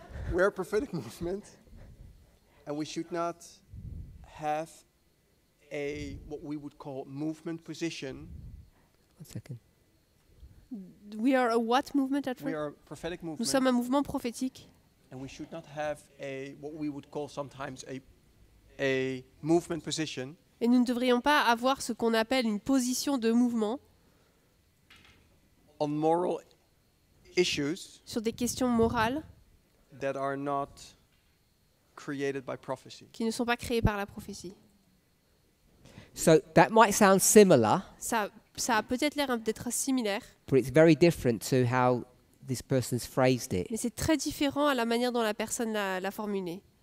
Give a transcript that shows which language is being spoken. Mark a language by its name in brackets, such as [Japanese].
[English] We're a prophetic movement, and we should not have a what we would call movement position. One second. We are a what movement at we are a prophetic movement. [French] Nous sommes un mouvement prophétique. [English] And we should not have a what we would call sometimes a movement position. [French] Et nous ne devrions pas avoir ce qu'on appelle une position de mouvement. [English] On moral issues. [French] Sur des questions morales. [English] That are not created by prophecy. [French] Qui ne sont pas créées par la prophétie. [English] So that might sound similar. [French] Ça a peut-être l'air d'être similaire. [English] But it's very different to how this person's phrased it. [French] Mais c'est très différent à la manière dont la personne l'a formulé.